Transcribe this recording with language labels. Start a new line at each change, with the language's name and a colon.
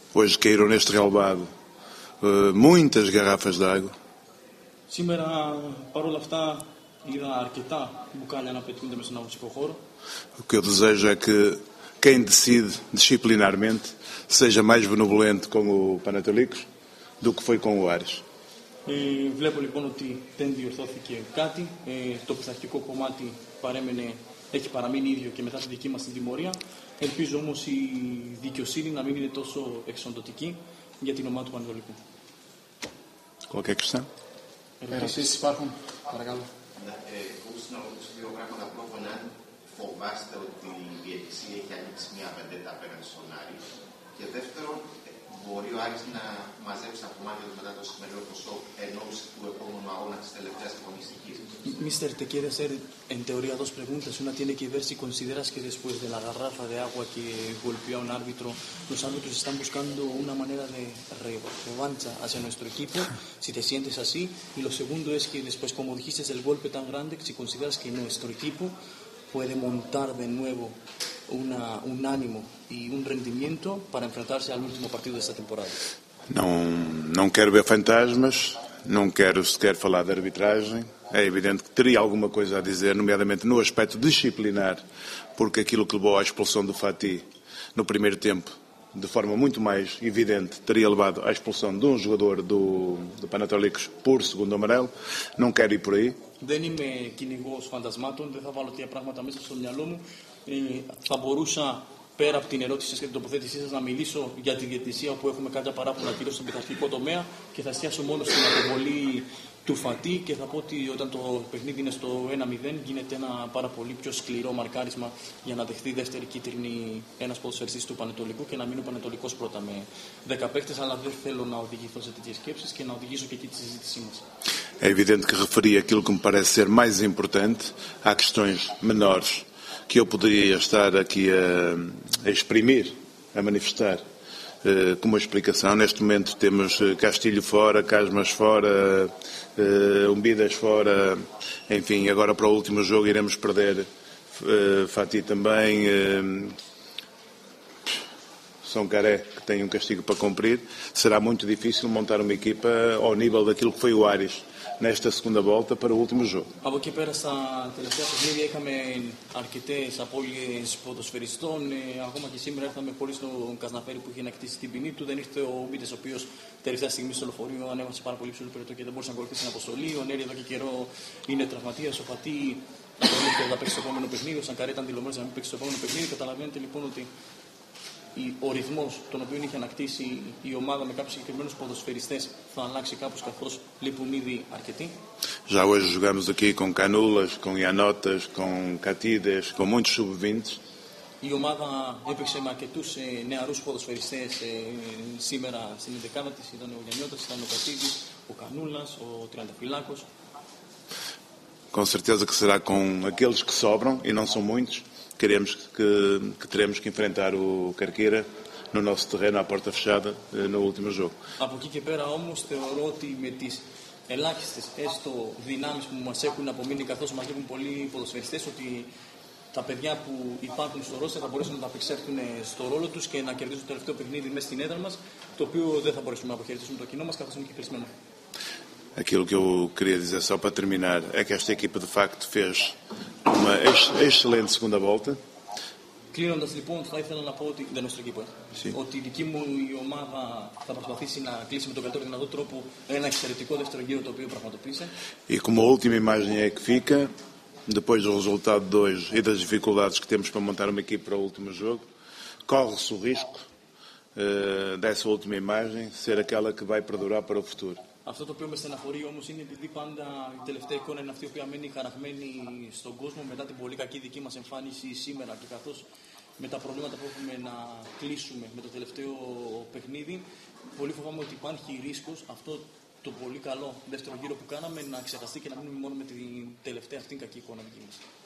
Portuguese: Hoje caíram neste relvado muitas garrafas de água.
Greek: Σήμερα, παρόλα αυτά, είδα αρκετά μπουκάλια να πετούνται μέσα στον αγωνιστικό χώρο.
Portuguese: O que eu desejo é que quem decide disciplinarmente seja mais benevolente com o Panathinaikos do que foi com o Ares.
Greek: Βλέπω λοιπόν ότι δεν διορθώθηκε κάτι. Το πειθαρχικό κομμάτι έχει παραμείνει ίδιο και μετά τη δική μας την τιμωρία. Ελπίζω όμως η δικαιοσύνη να μην είναι τόσο εξοντωτική για την ομάδα του Πανετολικού. Κόκκι, έκρισαν. Ερωτήσεις υπάρχουν, παρακαλώ. Ακούστε να ρωτήσω δύο πράγματα. Πρώτον, αν φοβάστε ότι η διαιτησία έχει ανοίξει μια βεντέτα απέναντι στον Άρη. Και δεύτερον, μπορεί ο Άρης να μαζέψει από μάτια του μετά το σημερινό ποσό εν όψη του επόμενου αγώνα τη τελευταία αγωνιστική.
Spanish: Mister, te quiero hacer en teoría dos preguntas. Una tiene que ver si consideras que después de la garrafa de agua que golpeó a un árbitro, los árbitros están buscando una manera de revancha hacia nuestro equipo, si te sientes así. Y lo segundo es que después, como dijiste, el golpe tan grande, si consideras que nuestro equipo puede montar de nuevo un ánimo y un rendimiento para enfrentarse al último partido de esta temporada. No quiero ver fantasmas, no quiero sequer hablar de arbitraje.
Portuguese: É evidente que teria alguma coisa a dizer, nomeadamente no aspecto disciplinar, porque aquilo que levou à expulsão do Fati no primeiro tempo, de forma muito mais evidente, teria levado à expulsão de um jogador do Panathinaikos por segundo amarelo. Não quero ir por aí.
Greek: Δεν είμαι κυνηγός φαντασμάτων, δεν θα βάλω τέτοια πράγματα μέσα στο μυαλό μου. Θα μπορούσα, πέρα από την ερώτηση σας και την τοποθέτησή σας, να μιλήσω για τη διαιτησία όπου έχουμε κάποια παράπονα κυρίως στον πειθαρχικό τομέα και θα εστιάσω μόνο στην αποβολή του Φατί και θα πω ότι όταν το παιχνίδι είναι στο 1-0 γίνεται ένα πάρα πολύ πιο σκληρό μαρκάρισμα για να δεχθεί δεύτερη κίτρινη ένας ποδοσφαιριστής του Πανετολικού και να μείνει ο Πανετολικός πρώτα με 10 παίκτες, αλλά δεν θέλω να οδηγηθώ σε τέτοιες σκέψεις και να οδηγήσω και εκεί τη συζήτησή μας.
Portuguese: É evidente que referi aquilo que me parece ser mais importante. Há questões menores que eu poderia estar aqui a exprimir, a manifestar como explicação. Neste momento temos Castilho fora, Casmas fora, Umbidas fora. Enfim, agora para o último jogo iremos perder Fati também. São Caré, que tem um castigo para cumprir. Será muito difícil montar uma equipa ao nível daquilo que foi o Áries nesta segunda volta para o último jogo.
Greek: Από εκεί πέρα, στα τελευταία παιχνίδια, είχαμε αρκετές απώλειες ποδοσφαιριστών. Ακόμα και σήμερα ήρθαμε πολύ στον Κασναφέρη που είχε να κτίσει την ποινή του. Δεν ήρθε ο Μπίτες, ο οποίος τελευταία στιγμή στο λεωφορείο ανέβασε πάρα πολύ ψηλό περιττό και δεν μπορούσε να ακολουθήσει την αποστολή. Ο Νέρι εδώ και καιρό είναι τραυματίας. Ο Φατί δεν ήρθε να παίξει το επόμενο παιχνίδι. Ο Σανκαρέ ήταν δηλωμένο να μην παίξει το επόμενο παιχνίδι. Καταλαβαίνετε λοιπόν ότι ο ρυθμός τον οποίο είχε ανακτήσει η ομάδα με κάποιους συγκεκριμένους ποδοσφαιριστές θα αλλάξει κάπως, καθώς λείπουν ήδη αρκετοί.
Portuguese: Já hoje jogamos aqui com Canulas, com Ianotas, com Catides, com muitos sub-20.
Greek: Η ομάδα έπαιξε με αρκετούς νεαρούς ποδοσφαιριστές σήμερα στην ενδεκάδα της. Ήταν ο Ιανώτας, ήταν ο Κατίδης, ο Κανούλας, ο Τριανταφυλάκος.
Portuguese: Com certeza que será com aqueles que sobram e não são muitos. Queremos que teremos que enfrentar o Carqueira no nosso terreno à porta fechada no último jogo.
Greek: Από εκεί και πέρα όμως θεωρώ ότι με τις ελάχιστες έστω δυνάμεις που μας έχουν απομείνει, καθώς μας λείπουν πολλοί ποδοσφαιριστές, ότι τα παιδιά που υπάρχουν στο ρόστερ θα μπορέσουν να τα απεξέλθουν στο ρόλο τους και να κερδίσουν το τελευταίο παιχνίδι μέσα στην έδρα μας, το οποίο δεν θα μπορέσουμε να αποχαιρετήσουμε το κοινό μας, καθώς είναι και κλεισμένο.
Portuguese: Aquilo que eu queria dizer só para terminar é que esta equipa de facto fez uma excelente segunda volta.
Greek: Κλείνοντας λοιπόν, θα ήθελα να πω ότι δεν είναι στο εκεί που έρθει. Ότι η δική μου η ομάδα θα προσπαθήσει να κλείσει με τον καλύτερο δυνατό τρόπο ένα εξαιρετικό δεύτερο γύρο το οποίο πραγματοποίησε.
Portuguese: E como última imagem é que fica, depois do resultado de hoje e das dificuldades que temos para montar uma equipe para o último jogo, corre-se o risco dessa última imagem ser aquela que vai perdurar para o futuro.
Greek: Αυτό το οποίο με στεναχωρεί όμως είναι επειδή πάντα η τελευταία εικόνα είναι αυτή η οποία μένει χαραγμένη στον κόσμο μετά την πολύ κακή δική μας εμφάνιση σήμερα και καθώς με τα προβλήματα που έχουμε να κλείσουμε με το τελευταίο παιχνίδι, πολύ φοβάμαι ότι υπάρχει ρίσκος αυτό το πολύ καλό δεύτερο γύρο που κάναμε να ξεχαστεί και να μείνουμε μόνο με την τελευταία αυτή κακή εικόνα δική μας.